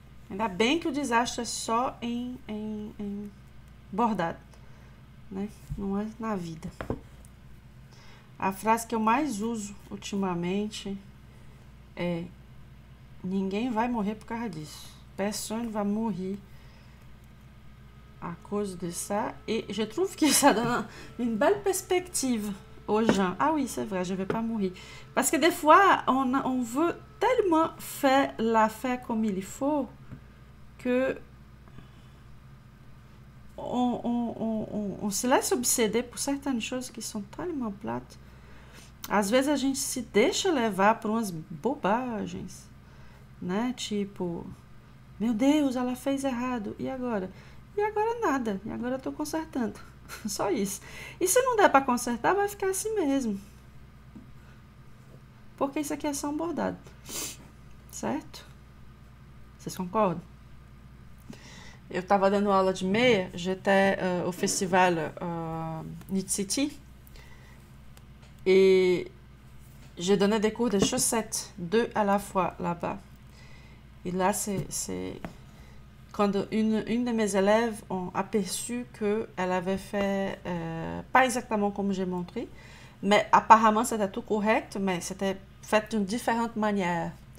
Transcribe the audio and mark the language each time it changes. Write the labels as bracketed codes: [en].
[pt] Ainda bem que o desastre é só em bordado. Né? Não é na vida. A frase que eu mais uso ultimamente é: ninguém vai morrer por causa disso. [fr] Personne va mourir à cause de ça. Et je trouve que ça donne une belle perspective aux gens. Ah oui, c'est vrai, je vais pas mourir. Parce que des fois, on veut tellement faire l'affaire comme il faut que. On se laisse obséder por certaines choses qui sont tellement plates. [pt] Às vezes a gente se deixa levar por umas bobagens, né? Tipo, meu Deus, ela fez errado. E agora? E agora nada. E agora eu tô consertando. Só isso. E se não der para consertar, vai ficar assim mesmo. Porque isso aqui é só um bordado. Certo? Vocês concordam? Eu estava dando aula de meia, [fr] j'étais au festival Nitsiti, et j'ai donné des cours de chaussettes, deux à la fois là-bas. Et là, c'est quand une de mes élèves a aperçu qu'elle avait fait, pas exactement comme j'ai montré, mais apparemment c'était tout correct, mais c'était fait d'une différente manière.